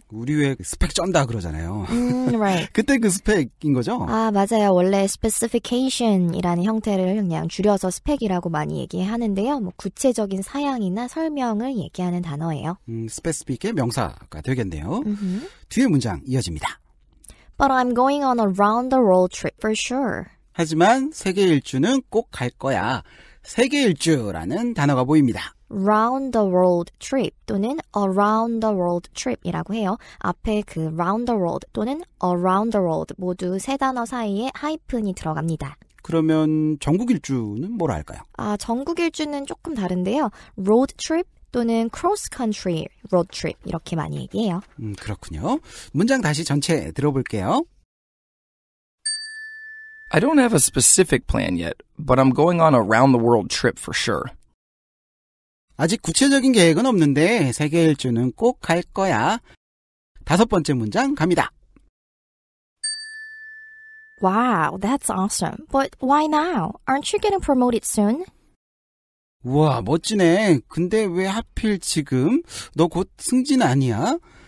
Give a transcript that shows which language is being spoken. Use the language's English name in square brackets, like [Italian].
[Korean] 우리 왜 스펙 쩐다 그러잖아요. [English] Right. [Korean] 그때 그 스펙인 거죠? 아, 맞아요. 원래 specification이라는 형태를 그냥 줄여서 스펙이라고 많이 얘기하는데요. 뭐 구체적인 사양이나 설명을 얘기하는 단어예요. specific의 명사가 되겠네요. 뒤에 문장 이어집니다. [English] But I'm going on a round-the-world trip for sure. [Korean] 하지만 세계 일주는 꼭 갈 거야. 세계 일주라는 단어가 보입니다. [English] Round the world trip 또는 around the world trip이라고 해요. [Korean] 앞에 그 [English] round the world [Korean] 또는 [English] around the world [Korean] 모두 세 단어 사이에 하이픈이 들어갑니다. 그러면 전국 일주는 뭐라 할까요? 아, 전국 일주는 조금 다른데요. [English] Road trip 또는 cross country road trip [Korean] 이렇게 많이 얘기해요. 그렇군요. 문장 다시 전체 들어볼게요. [English] I don't have a specific plan yet, but I'm going on a round the world trip for sure. [Korean] 아직 구체적인 계획은 없는데 세계 일주는 꼭 갈 거야. 다섯 번째 문장 갑니다. [English] Wow, that's awesome. But why now? Aren't you getting promoted soon? [Korean] 우와, 멋지네. 근데 왜 하필 지금? 너 곧 승진 아니야?